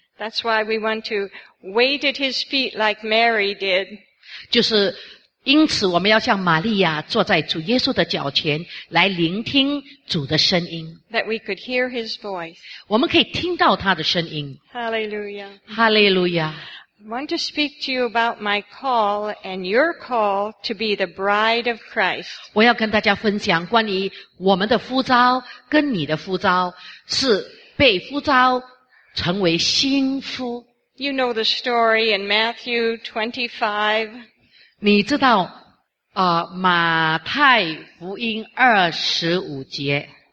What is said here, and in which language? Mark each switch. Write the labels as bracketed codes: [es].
[en] That's why we want to wait at his feet like Mary did. [zh] 就是因此我们要像玛利亚坐在主耶稣的脚前来聆听主的声音。 [en] That we could hear his voice. [zh] 我们可以听到他的声音。 [en] Hallelujah. Hallelujah. I want to speak to you about my call and your call to be the bride of Christ. [zh] 我要跟大家分享关于我们的呼召跟你的呼召是被呼召成为新夫。 [en] You know the story in Matthew 25. [zh] 你知道马太福音二十五节